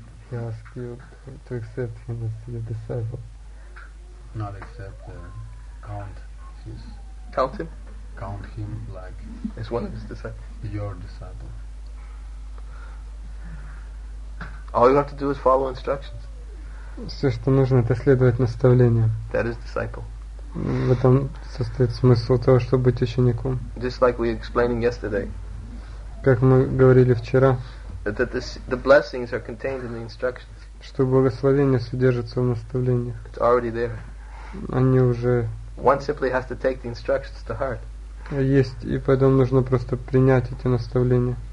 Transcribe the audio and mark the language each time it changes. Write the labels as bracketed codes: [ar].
[en] He asked you to accept him as your disciple. Not accept, count his... Count him? Count him like... As one of his disciples. Your disciple. All you have to do is follow instructions. [ru] Все, что нужно, это следовать наставлениям. [en] That is disciple. [ru] В этом состоит смысл того, чтобы быть учеником. [en] Just like we were explaining yesterday. [ru] Как мы говорили вчера. [en] That the blessings are contained in the instructions. [ru] Что благословения содержатся в наставлениях. [en] It's already there. [ru] Они уже. [en] One simply has to take the instructions to heart. [ru] Есть, и потом нужно просто принять эти наставления.